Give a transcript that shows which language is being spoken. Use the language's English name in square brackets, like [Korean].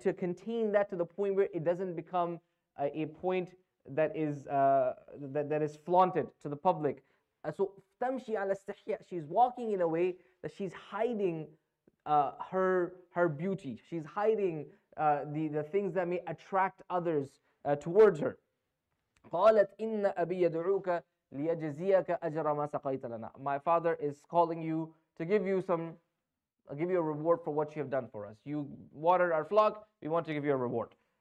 [English] To contain that to the point where it doesn't become a point that is that is flaunted to the public. So [Arabic] tamshi ala istihya, [English] she's walking in a way that she's hiding her beauty. She's hiding the things that may attract others towards her. [Arabic] قالت إن أبي يدعوك ليجزيك أجر ما سقيت لنا. [English] My father is calling you to give you some, I'll give you a reward for what you have done for us. You watered our flock. We want to give you a reward.